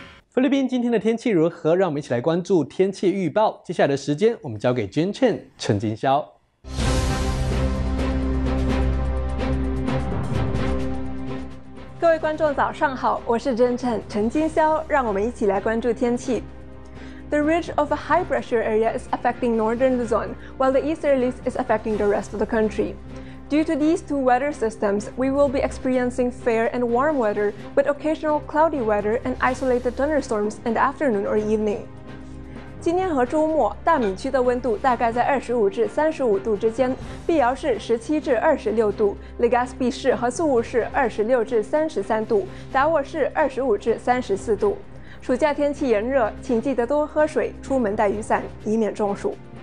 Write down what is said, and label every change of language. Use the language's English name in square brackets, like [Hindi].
[Chinese] 菲律宾今天的天气如何？让我们一起来关注天气预报。接下来的时间，我们交给 Jane Chen 陈金霄。各位观众早上好，我是真诚陈金霄，让我们一起来关注天气。 [English] The ridge of a high pressure area is affecting northern Luzon, while the easterly is affecting the rest of the country. Due to these two weather systems, we will be experiencing fair and warm weather with occasional cloudy weather and isolated thunderstorms in the afternoon or evening. [Chinese] 今天和周末，大米区的温度大概在25-35度之间，碧瑶市17-26度，雷加斯比市和宿务市26-33度，达沃市25-34度。暑假天气炎热，请记得多喝水，出门带雨伞，以免中暑。